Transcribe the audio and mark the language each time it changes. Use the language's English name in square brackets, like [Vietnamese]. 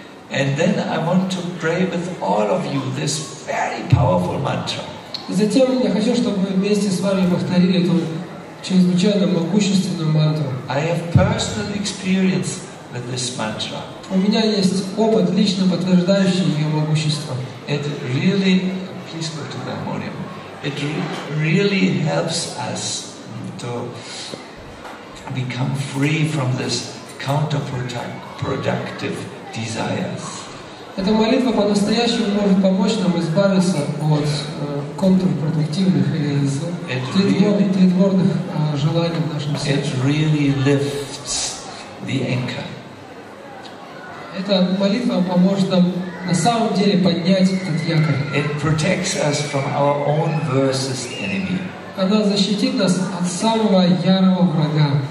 [English] And then I want to pray with all of you this very powerful mantra. [Russian] Затем я хочу, чтобы вместе с вами повторили эту чрезвычайно могущественную мантру. [English] I have personal experience with this mantra. [Russian] У меня есть опыт, лично подтверждающий ее могущество. [English] It really, please go to the harmonium. It really helps us to become free from this counterproductive desires. [Russian] Эта молитва по-настоящему может помочь нам избавиться от контрпродуктивных или тредворных желаний в нашем сердце. [English] It really lifts the anchor. [Russian] Эта молитва поможет нам на самом деле поднять этот якорь. [English] It protects us from our own worst enemy. [Russian] Она защитит нас от самого ярого врага.